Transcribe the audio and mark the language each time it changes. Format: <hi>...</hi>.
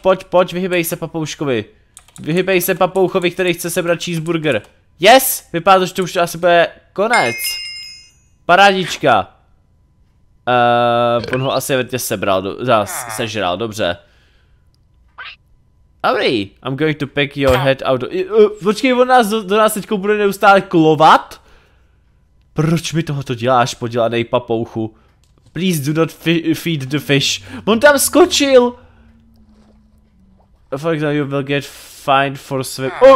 <cs>Pojď, vyhybej se papouškovi. Vyhybej se papouchovi, který chce sebrat cheeseburger. Yes, vypadá to, že to už asi bude konec. Parádička. On ho asi vrtě sebral, sežral, dobře. Dobrý,</cs> <en>I'm going to pick your head out.</en> <cs>Počkej, on nás do nás teďko bude neustále klovat? Proč mi tohoto děláš, podělanej papouchu?</cs> <en>Please do not feed the fish.</en> <cs>On tam skočil!</cs> <en>For example, you will get fined for swim.</en>